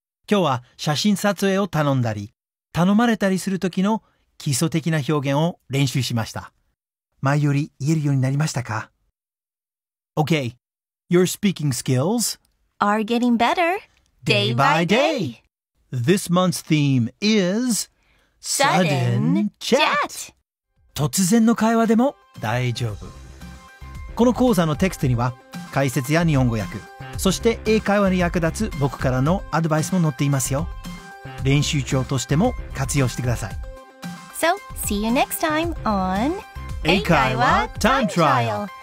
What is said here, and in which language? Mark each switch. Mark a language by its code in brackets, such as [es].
[ja] 今日は写真撮影を頼んだり。頼まれたりするときの基礎的な表現を練習しました。前より言えるようになりましたか? [en] Okay, your speaking skills are getting better day by day. This month's theme is Sudden Chat. [ja] 突然の会話でも大丈夫。この講座のテキストには解説や日本語訳、そして英会話に役立つ僕からのアドバイスも載っていますよ。練習帳としても活用してください。 [en] So, see you next time on 英会話 Time Trial.